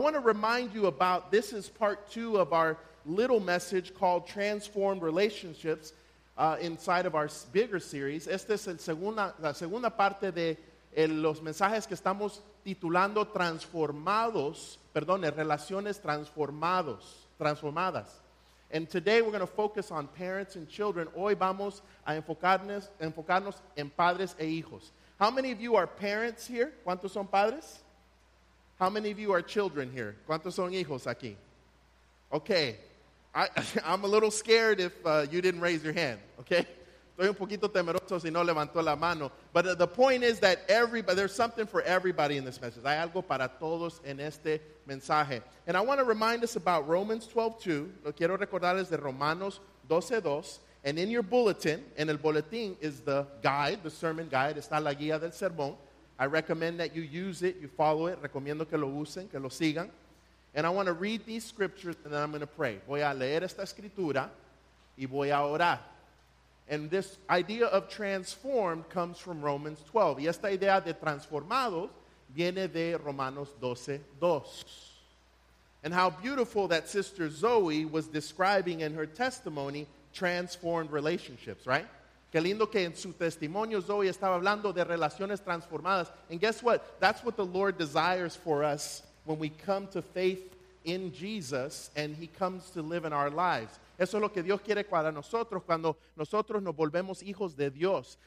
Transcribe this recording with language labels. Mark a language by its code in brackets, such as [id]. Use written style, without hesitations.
[en] I want to remind you about, this is part two of our little message called Transformed Relationships inside of our bigger series. [es] Esta es la segunda parte de los mensajes que estamos titulando Relaciones Transformadas. [en] And today we're going to focus on parents and children. [es] Hoy vamos a enfocarnos en padres e hijos. [en] How many of you are parents here? [es] ¿Cuántos son padres? [en] How many of you are children here? [es] ¿Cuántos son hijos aquí? Okay. [en] I'm a little scared if you didn't raise your hand, okay? [es] Estoy un poquito temeroso si no levantó la mano. [en] But the point is that there's something for everybody in this message. [es] Hay algo para todos en este mensaje. [en] And I want to remind us about Romans 12:2. [es] Lo quiero recordarles de Romanos 12:2. [en] And in your bulletin, [es] en el boletín, [en] is the guide, the sermon guide. [es] Está la guía del sermón. [en] I recommend that you use it, you follow it. [es] Recomiendo que lo usen, que lo sigan. [en] And I want to read these scriptures and then I'm going to pray. [es] Voy a leer esta escritura y voy a orar. [en] And this idea of transformed comes from Romans 12. [es] Y esta idea de transformados viene de Romanos 12:2. [en] And how beautiful that Sister Zoe was describing in her testimony transformed relationships, right? [es] Qué lindo que en su testimonio Zoe estaba hablando de relaciones transformadas. [en] And guess what? That's what the Lord desires for us when we come to faith in Jesus and he comes to live in our lives. [es] Eso es lo que Dios quiere para nosotros cuando nosotros nos volvemos hijos de Dios.